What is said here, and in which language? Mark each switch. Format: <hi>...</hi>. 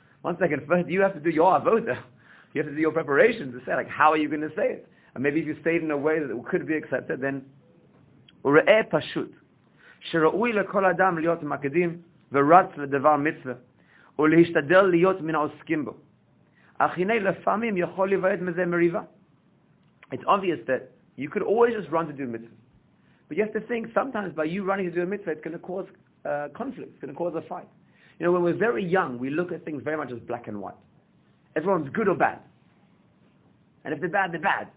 <en>1 second, first, you have to do your avodah. You have to do your preparation to say, like, how are you going to say it? And maybe if you say it in a way that it could be accepted, then,</en> <he>ure'e pashut, shera'ui lekol adam liyot makedim, veratz ledevar mitzvah, ולהשתדל להיות מן העוסקים בו. אך הנה לפעמים יכול להיוועד מזה מריבה.</he> <en>It's obvious that you could always just run to do a mitzvah. But you have to think, sometimes by you running to do a mitzvah, it's going to cause conflict, it's going to cause a fight. You know, when we're very young, we look at things very much as black and white. Everyone's good or bad. And if they're bad, they're bad.</en>